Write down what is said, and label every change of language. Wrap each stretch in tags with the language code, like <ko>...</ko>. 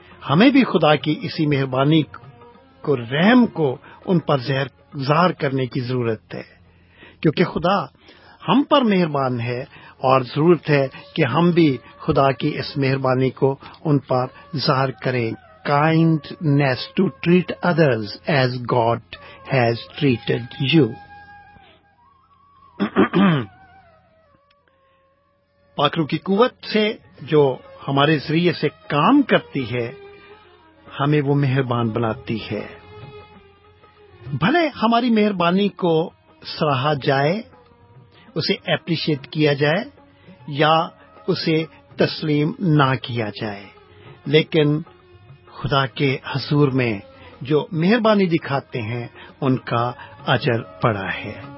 <ur>ہمیں بھی خدا کی اسی مہربانی کو، رحم کو ان پر زہر کرنے کی ضرورت ہے، کیونکہ خدا ہم پر مہربان ہے اور ضرورت ہے کہ ہم بھی خدا کی اس مہربانی کو ان پر ظاہر کریں.</ur> <en>Kindness to treat others as God has treated you.</en> <ur>پاکرو کی قوت سے جو ہمارے ذریعے سے کام کرتی ہے، ہمیں وہ مہربان بناتی ہے. بھلے ہماری مہربانی کو سراہا جائے، اسے اپریشیٹ کیا جائے یا اسے تسلیم نہ کیا جائے، لیکن خدا کے حضور میں جو مہربانی دکھاتے ہیں ان کا اجر بڑا ہے.</ur>